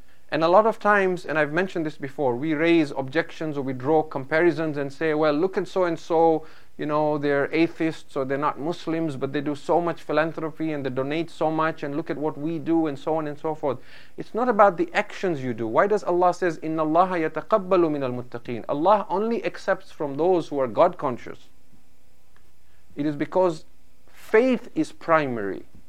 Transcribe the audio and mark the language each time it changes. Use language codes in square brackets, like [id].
[en] And a lot of times, and I've mentioned this before, we raise objections or we draw comparisons and say, well, look at so-and-so, you know, they're atheists or they're not Muslims, but they do so much philanthropy and they donate so much, and look at what we do, and so on and so forth. It's not about the actions you do. Why does Allah says, [ar] إِنَّ اللَّهَ يَتَقَبَّلُ مِنَ الْمُتَّقِينَ. [en] Allah only accepts from those who are God-conscious. It is because faith is primary.